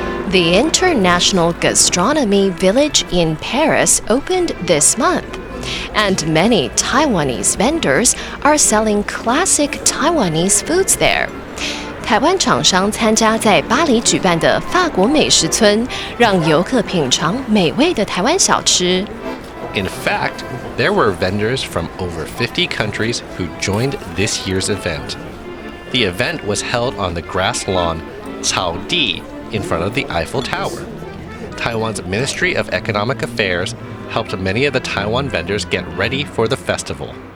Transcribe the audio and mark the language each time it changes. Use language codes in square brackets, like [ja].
[en] The International Gastronomy Village in Paris opened this month, and many Taiwanese vendors are selling classic Taiwanese foods there. [zh] 台湾厂商参加在巴黎举办的法国美食村，让游客品尝美味的台湾小吃。 [en] In fact, there were vendors from over 50 countries who joined this year's event. The event was held on the grass lawn, 草地, in front of the Eiffel Tower. Taiwan's Ministry of Economic Affairs helped many of the Taiwan vendors get ready for the festival.